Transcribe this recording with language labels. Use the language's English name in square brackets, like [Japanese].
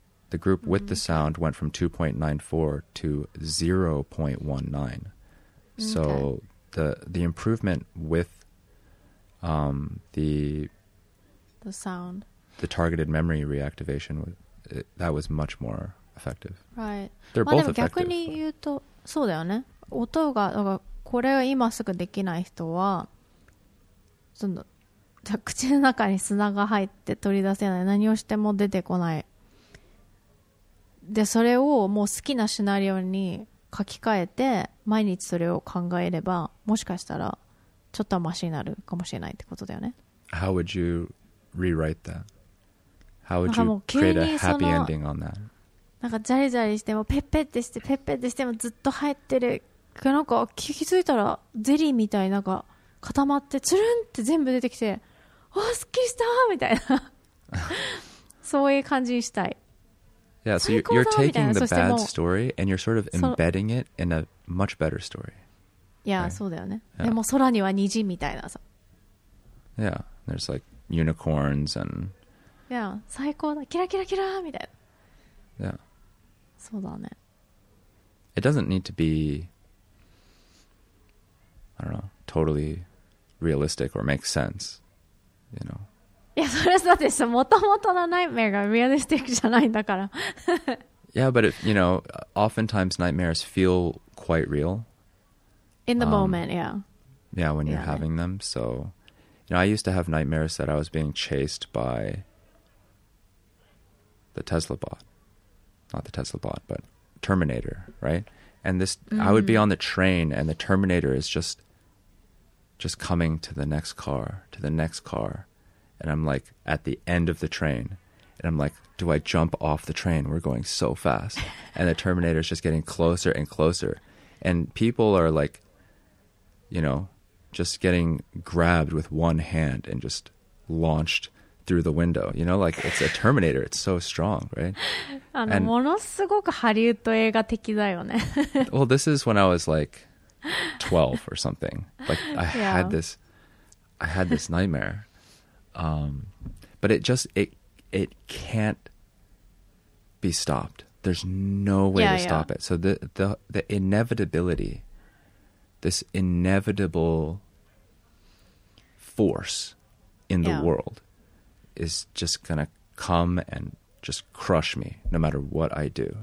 [English] The group with the sound went from 2.94 to 0.19. So the improvement with the sound, the targeted memory reactivation, that was much more effective. Right. They're both effective. [Japanese] 逆に言うと、そうだよね。音がなんかこれが今すぐできない人は、その口の中に砂が入って取り出せない。何をしても出てこない。でそれをもう好きなシナリオに書き換えて毎日それを考えればもしかしたらちょっとマシになるかもしれないってことだよね。 [English] How would you rewrite that? How would you create a happy ending on that? [Japanese] なんかジャリジャリしてもペッペッてしてペッペッてしてもずっと入ってる。なんか気づいたらゼリーみたいなんか固まってツルンって全部出てきて、あ、すっきりしたみたいな。そういう感じにしたい。 [English] Yeah, so you're taking the bad story and you're sort of embedding it in a much better story. Yeah, right? [Japanese] そうだよね。 [English] Yeah. [Japanese] でも空には虹みたいなさ。 [English] Yeah, there's like unicorns and... [Japanese] Yeah, 最高だ。キラキラキラみたいな。 [English] Yeah. [Japanese] そうだね。 [English] It doesn't need to be... I don't know, totally realistic or make sense, you know. [Japanese] いやそれだってもともとのナイトメアがリアリスティックじゃないんだから [English] Yeah, but it, you know, oftentimes nightmares feel quite real In the moment, yeah Yeah, when you're having them So, you know, I used to have nightmares that I was being chased by the Tesla bot Not the Tesla bot, but Terminator, right? And this, I would be on the train and the Terminator is just coming to the next car, to the next carAnd I'm like at the end of the train. And I'm like, do I jump off the train? We're going so fast. And the Terminator is just getting closer and closer. And people are like, you know, just getting grabbed with one hand and just launched through the window. You know, like it's a Terminator. It's so strong, right? [Japanese] And, ものすごくハリウッド映画的だよね。 [English] Well, this is when I was like 12 or something. Like I had this nightmare. But it can't be stopped. There's no way to stop it. So the inevitability, this inevitable force in the world is just gonna come and just crush me no matter what I do.